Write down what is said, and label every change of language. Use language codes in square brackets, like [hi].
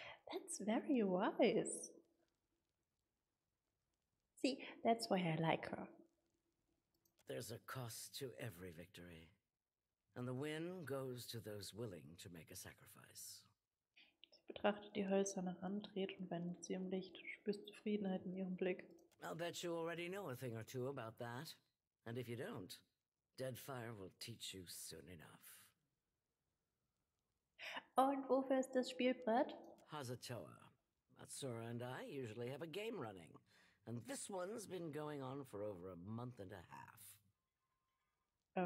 [en] That's very wise. See, that's why I like her. There's a cost to every victory. And the win goes to those willing to make a sacrifice. [de] Sie betrachtet die hölzerne Hand, dreht und wendet sie im Licht, spürt Zufriedenheit in ihrem Blick. [en] I'll bet you already know a thing or two about that. And if you don't, Deadfire will teach you soon enough. [de] Und wofür ist das Spielbrett? Hazatoa. [en] Atsura and I usually have a game running. And this one's been going on for over a month and a half.